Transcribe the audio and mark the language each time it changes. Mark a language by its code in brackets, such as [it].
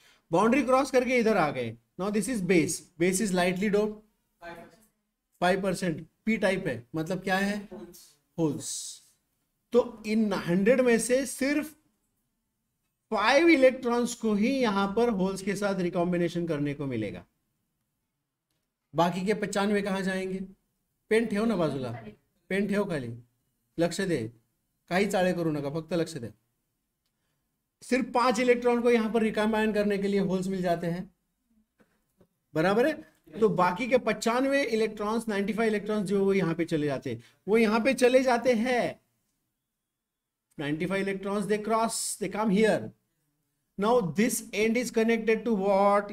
[en] boundary cross [hi] करके इधर आ गए। [en] Now this is base, base is lightly dope 5%। [hi] P type है, मतलब क्या है? होल्स। तो इन 100 में से सिर्फ 5 इलेक्ट्रॉन्स को ही यहां पर होल्स के साथ रिकॉम्बिनेशन करने को मिलेगा, बाकी के 95 कहाँ जाएंगे? [mr] पेंट ठेव ना बाजूला, पेंट ठेव, खाली लक्ष दे, काही चाळे करू नका, फक्त लक्ष दे। [hi] सिर्फ 5 इलेक्ट्रॉन को यहां पर रिकॉम्बाइन करने के लिए होल्स मिल जाते हैं, बराबर है? तो बाकी के 95 इलेक्ट्रॉन्स, 95 इलेक्ट्रॉन्स जो वो यहां पे चले जाते हैं, वो यहां पे चले जाते हैं। [en] 95 electrons they cross, they come here. Now this end is connected to what?